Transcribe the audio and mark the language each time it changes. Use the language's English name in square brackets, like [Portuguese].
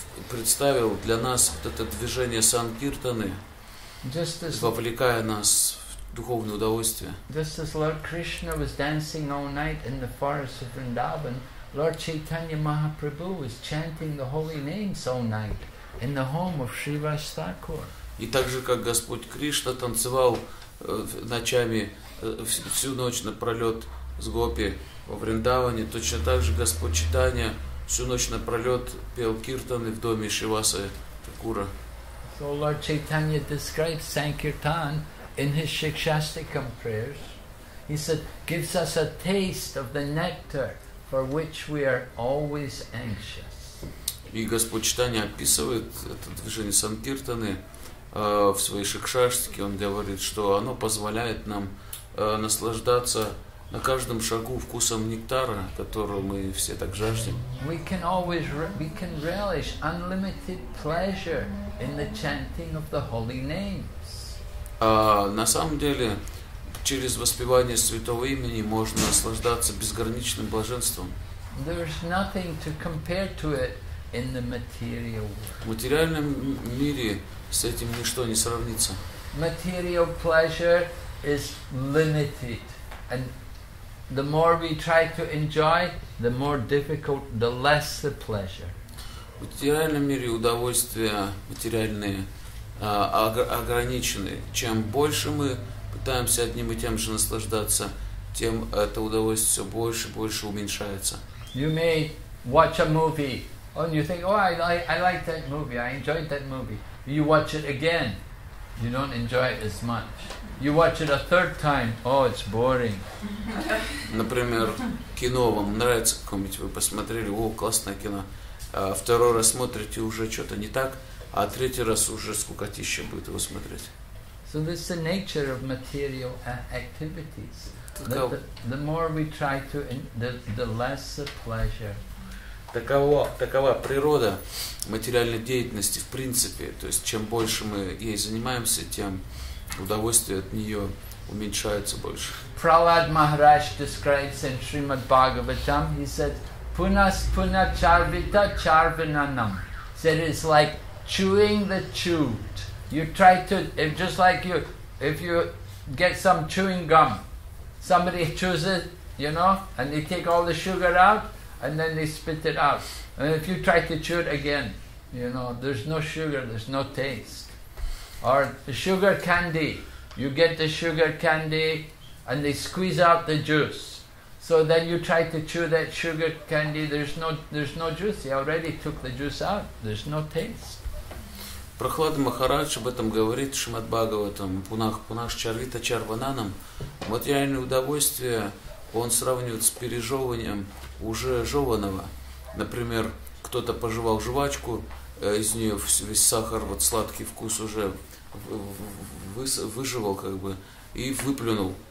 [Russian] представил для нас вот это движение Санкиртаны, вовлекая нас в духовное удовольствие. [English] Just as Lord Krishna was dancing all night in the forest of Vrindavan, Lord Chaitanya Mahaprabhu was chanting the holy names all night in the home of Sri Vastakur. [Russian] И так же, как Господь Кришна танцевал ночами всю ночь напролет с гопи во Вриндаване, точно так же Господь Читания всю ночь напролет пел киртаны в доме Шивасы Такура. [English] So Lord Chaitanya describes Sankirtan in his Shikshastikam prayers. He said, gives us a taste of the nectar for which we are always anxious. [Russian] И Господь Читания описывает это движение Санкиртаны в своей Шикшаштике. Он говорит, что оно позволяет нам наслаждаться на каждом шагу вкусом нектара, которого мы все так жаждем. [English] We can always we can relish unlimited pleasure in the chanting of the holy names. [Russian] На самом деле, через воспевание святого имени можно наслаждаться безграничным блаженством. [English] There's nothing to compare to it in the material world. [Russian] В материальном мире с этим ничто не сравнится. [English] Material pleasure is limited, and the more we try to enjoy, the more difficult, the less the pleasure. [Russian] В материальном мире удовольствия материальные ограничены. Чем больше мы пытаемся одним и тем же наслаждаться, тем это удовольствие все больше и больше уменьшается. [English] You may watch a movie, and you think, I like that movie, I enjoyed that movie. You watch it again, you don't enjoy it as much. You watch it a third time. Oh, it's boring. [Russian] Например, кино вам нравится какое-нибудь, вы посмотрели, о, классное кино. Второй раз смотрите, уже что-то не так, а третий раз уже скукотища будет его смотреть. [English] So this is the nature of material activities. The more we try to, the less the pleasure. [Russian] Такова природа материальной деятельности в принципе. То есть, чем больше мы ей занимаемся, тем удовольствие от нее уменьшается больше. [English] Prahlad Maharaj describes in Srimad Bhagavatam, he said, [Sanskrit] Punas Puna Charvita Charvananam. [English] So it is like chewing the chewed. You try to, if just like you, if you get some chewing gum, somebody chews it, you know, and they take all the sugar out, and then they spit it out. And if you try to chew it again, you know, there's no sugar, there's no taste. Or the sugar candy, you get the sugar candy and they squeeze out the juice. So then you try to chew that sugar candy, there's no juice, you already took the juice out, there's no taste. [Russian] Прохлад Махарадж об этом говорит, Шримад Бхагаватам, [Sanskrit] Пунах Пунаш Чарвита Чарвананам. [Russian] Материальное удовольствие он сравнивает с пережевыванием уже жеванного. Например, кто-то пожевал жвачку, из нее весь сахар, вот сладкий вкус уже выживал, как бы, и выплюнул.